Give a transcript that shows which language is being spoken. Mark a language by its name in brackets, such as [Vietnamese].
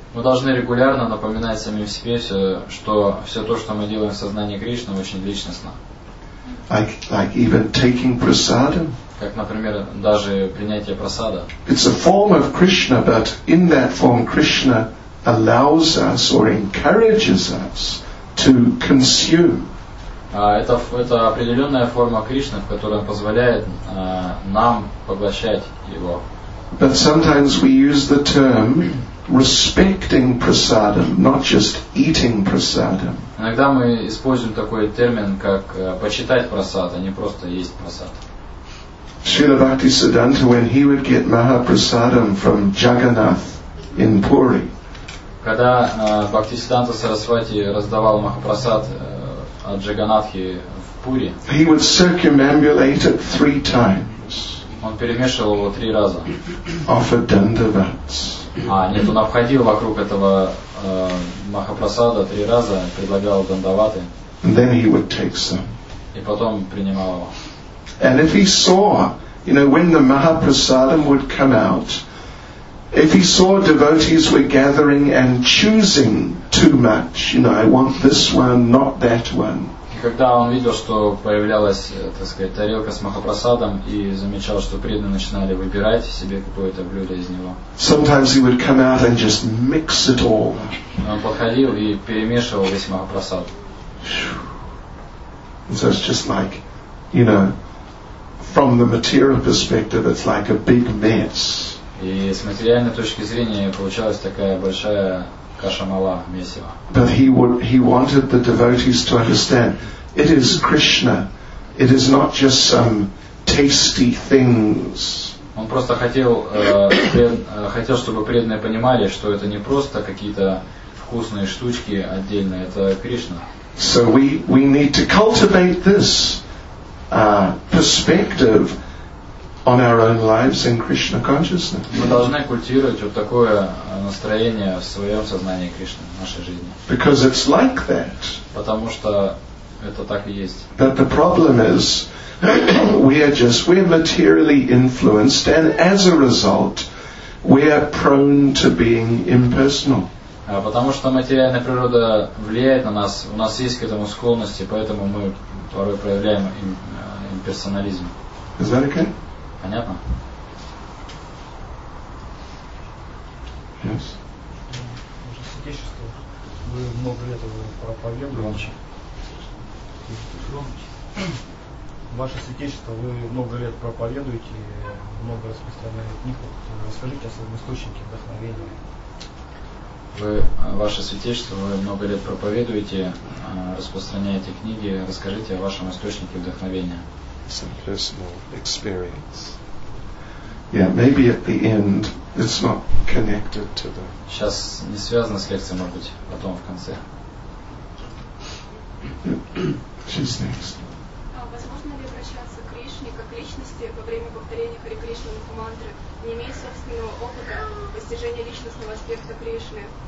[Russian] Мы должны регулярно напоминать самим себе, что все то, что мы делаем в сознании Кришны, очень личностно. [English] Like even taking prasadam. [Russian] Как, например, даже принятие прасада. [English] It's a form of Krishna, but in that form Krishna allows us or encourages us to consume. [Russian] Это определенная форма Кришны, в которой он позволяет нам поглощать его. [English] But sometimes we use the term respecting prasadam, not just eating prasadam. [Russian] Иногда мы используем такой термин, как почитать прасад, а не просто есть прасад. [English] Śrīla Bhaktisiddhanta, when he would get Mahaprasadam from Jagannath in Puri. [Russian] Когда Бхактисиддханта Сарасвати раздавал Махапрасад от Джаганатхи в Пури, [English] he would circumambulate it three times. [Russian] Он перемешивал его три раза. [English] Offered dandavats. [Russian] Нет, он обходил вокруг этого Махапрасада три раза, предлагал дандаваты. [English] And then he would take some. [Russian] И потом принимал его. [English] And if he saw, you know, when the Mahaprasadam would come out, if he saw devotees were gathering and choosing too much, you know, I want this one, not that one. [Russian] Когда он видел, что появлялась, так сказать, тарелка с махапрасадом и замечал, что преданные начинали выбирать себе какое-то блюдо из него. [English] Sometimes he would come out and just mix it all. [Russian] Он подходил и перемешивал весь махапрасад. [English] So it's just like, you know, from the material perspective, it's like a big mess. [Russian] И с материальной точки зрения получалась такая большая кашамала, месиво. [English] But he wanted the devotees to understand it is Krishna. It is not just some tasty things. [Russian] Он просто хотел, чтобы преданные понимали, что это не просто какие-то вкусные штучки отдельно, это Кришна. [English] So we need to cultivate this perspective on our own lives in Krishna consciousness. [Russian] Мы должны культивировать вот такое настроение в своем сознании Кришны, в нашей жизни. [English] Because it's like that. [Russian] Потому что это так и есть. [English] But the problem is, we're materially influenced, and as a result, we are prone to being impersonal. [Russian] Потому что материальная природа влияет на нас, у нас есть к этому склонности, поэтому мы порой проявляем имперсонализм. [English] Is that okay? [Russian] Понятно? [English] Yes. [Russian] Ваше святейшество, вы много лет уже проповедуете. Громче. Громче. Ваше святейшество, вы много лет проповедуете, много распространяете книгу. Расскажите о своем источнике вдохновения. Ваше святейшество, вы много лет проповедуете, распространяете книги. Расскажите о вашем источнике вдохновения. [English] Some personal experience. Yeah, maybe at the end it's not connected to the. [Russian] Сейчас не связано с лекцией, может быть, потом в конце. [English] She's next. [Russian] Возможно ли обращаться к Кришне как личности во время повторения Хари Кришна мантры, не имея собственного опыта постижения личностного аспекта Кришны?